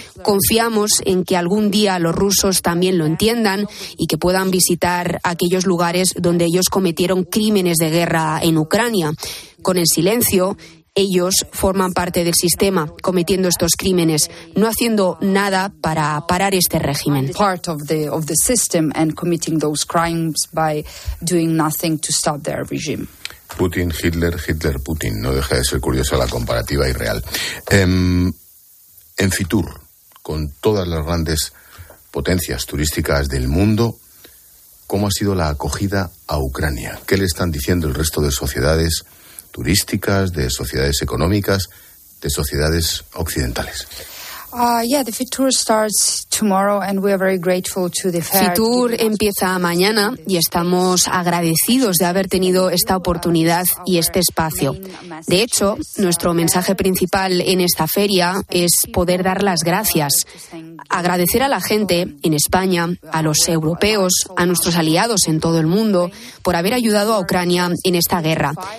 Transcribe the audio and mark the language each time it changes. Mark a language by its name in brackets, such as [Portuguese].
[Spanish] Confiamos en que algún día los rusos también lo entiendan y que puedan visitar aquellos lugares donde ellos cometieron crímenes de guerra en Ucrania. Con el silencio, ellos forman parte del sistema cometiendo estos crímenes, no haciendo nada para parar este régimen. [English] Part of the system and committing those crimes by doing nothing to stop their regime. [Spanish] Putin, Hitler, Hitler, Putin. No deja de ser curiosa la comparativa y real. En Fitur, con todas las grandes potencias turísticas del mundo, ¿cómo ha sido la acogida a Ucrania? ¿Qué le están diciendo el resto de sociedades turísticas, de sociedades económicas, de sociedades occidentales? [English] The Fitur starts tomorrow and we are very grateful to the fair. [Spanish] Fitur empieza mañana y estamos agradecidos de haber tenido esta oportunidad y este espacio. De hecho, nuestro mensaje principal en esta feria es poder dar las gracias. Agradecer a la gente en España, a los europeos, a nuestros aliados en todo el mundo por haber ayudado a Ucrania en esta guerra.